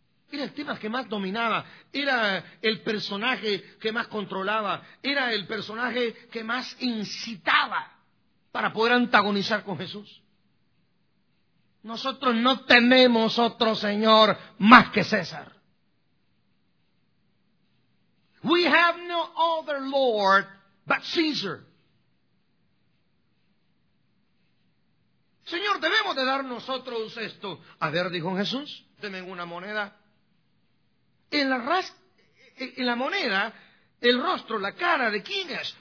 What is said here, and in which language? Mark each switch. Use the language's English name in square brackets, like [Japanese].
[Spanish] Era el tema que más dominaba, era el personaje que más controlaba, era el personaje que más incitaba para poder antagonizar con Jesús. Nosotros no tenemos otro Señor más que César. [English] We have no other Lord but Caesar. [Spanish] Señor, debemos de dar nosotros esto. A ver, dijo Jesús, denme una moneda. En la moneda, el rostro, la cara, ¿de quién es?